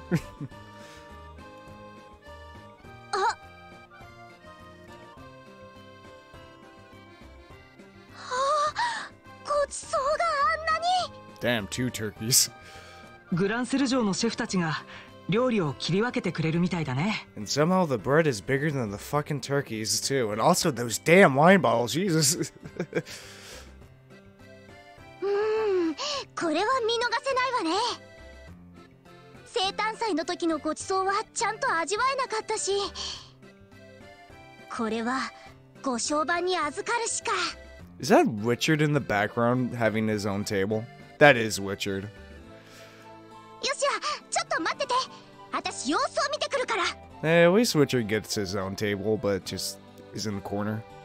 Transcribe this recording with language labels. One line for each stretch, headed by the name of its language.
Japanese: あ、はあ、ごちそうがあんなに。
English: Damn, two turkeys.
Japanese: グランセル城のシェフたちが料理を切り分けてくれるみたいだね。
English: And somehow the bread is bigger than the fucking turkeys too. And also those damn wine bottles, Jesus.
Japanese: これは見逃せないわね。生誕祭の時のごちそうはちゃんと味わえなかったし、これはご商売に預かるしか。
English: Is that Richard in the background having his own table? That is Richard.
Japanese: よしや、ちょっと待ってて。私様子を見てくるから。
English: Hey, at least Richard gets his own table, but just is in the corner.